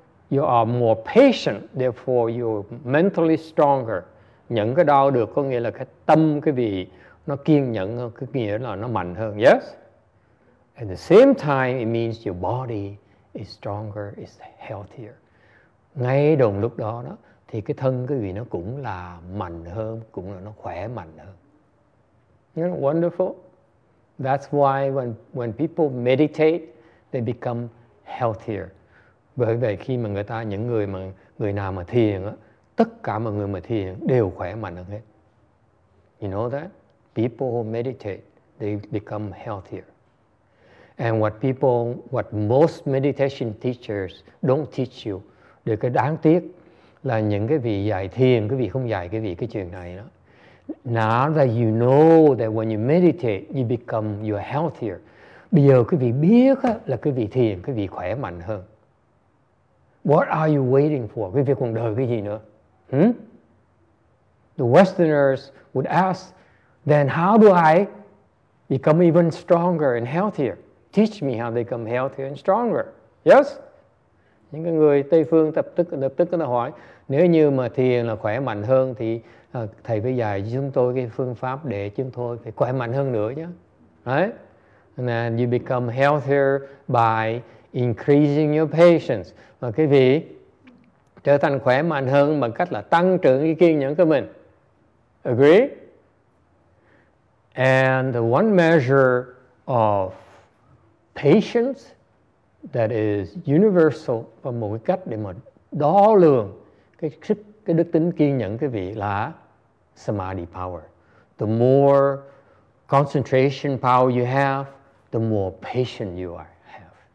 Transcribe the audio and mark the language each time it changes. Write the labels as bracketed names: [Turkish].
[English] You are more patient, therefore you're mentally stronger. [Vietnamese] Nhẫn cái đau được có nghĩa là cái tâm quý vị nó kiên nhẫn hơn, có nghĩa là nó mạnh hơn. [English] Yes? At the same time, it means your body is stronger, is healthier. [Vietnamese] Ngay đồng lúc đó đó, thì cái thân cái gì nó cũng là mạnh hơn, cũng là nó khỏe mạnh hơn. [English] You know, wonderful. That's why when people meditate, they become healthier. [Vietnamese] Bởi vậy khi mà người ta những người mà người nào mà thiền á, tất cả mọi người mà thiền đều khỏe mạnh hơn hết. [English] You know that? People who meditate, they become healthier. And what most meditation teachers don't teach you, [Vietnamese] để cái đáng tiếc là những cái vị dạy thiền, cái vị không dạy cái vị cái chuyện này đó. [English] Now that you know that when you meditate, you become you're healthier. [Vietnamese] Bây giờ cái vị biết á, là cái vị thiền, cái vị khỏe mạnh hơn. [English] What are you waiting for? [Vietnamese] Cái việc còn đợi cái gì nữa? Hmm? [English] The Westerners would ask, then how do I become even stronger and healthier? Teach me how they become healthier and stronger. Yes? [Vietnamese] Những người Tây phương tập tức nó hỏi, nếu như mà thiền là khỏe mạnh hơn thì thầy phải dạy chúng tôi cái phương pháp để chúng tôi phải khỏe mạnh hơn nữa chứ. [English] Right? And you become healthier by increasing your patience. [Vietnamese] Và cái vị trở thành khỏe mạnh hơn bằng cách là tăng trưởng cái kiên nhẫn của mình. [English] Agree? And the one measure of patience that is universal, [Vietnamese] và một cái cách để mà đo lường cái đức tính kiên nhẫn cái vị là [English] samadhi power. The more concentration power you have, the more patient you are, have.